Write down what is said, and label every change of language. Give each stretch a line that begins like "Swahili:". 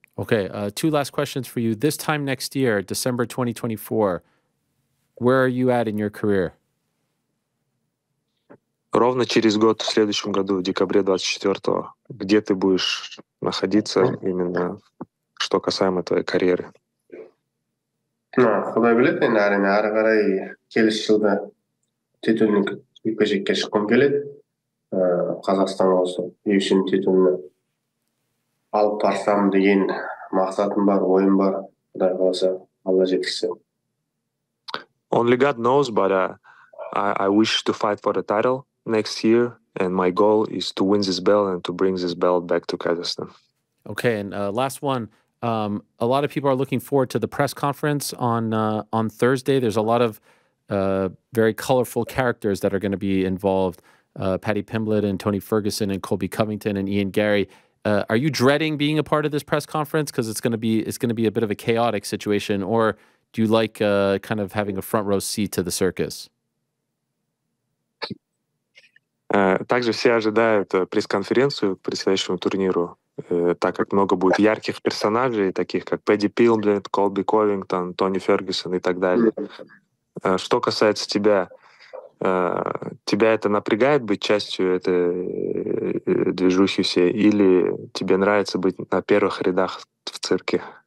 English: Okay, two last questions for you. This time next year, December 2024, where are you at in your career?
Russian: Ровно через год, в следующем году, в декабре 24-го, где ты будешь находиться именно, что касаемо твоей карьеры? Ну, куда билет, наверное,
Kazakh: арагара и келесі жылда титульник. Жекпе-жекке шыққым келеді. Қазақстан осы UFC-нің титулын алып барсам деген мақсатым бар, ойым бар. Құдай қаласа, Алла жеткізсін.
English: Only God knows, but I wish to fight for the title next year, and my goal is to win this belt and to bring this belt back to Kazakhstan. Okay, and last one. A lot of people are looking forward to the press conference on Thursday. There's a lot of very colorful characters that are going to be involved, Paddy Pimblett and Tony Ferguson and Colby Covington and Ian Garry. Are you dreading being a part of this press conference? Because it's going to be a bit of a chaotic situation. Or do you like kind of having a front row seat to the circus?
Russian: Также все ожидают пресс-конференцию к предстоящему турниру. так как много будет ярких персонажей, таких как Пэдди Пилблет, Колби Ковингтон, Тони Фергюсон и так далее. Что касается тебя, тебя это напрягает быть частью этой движухи всей, или тебе нравится быть на первых рядах в цирке?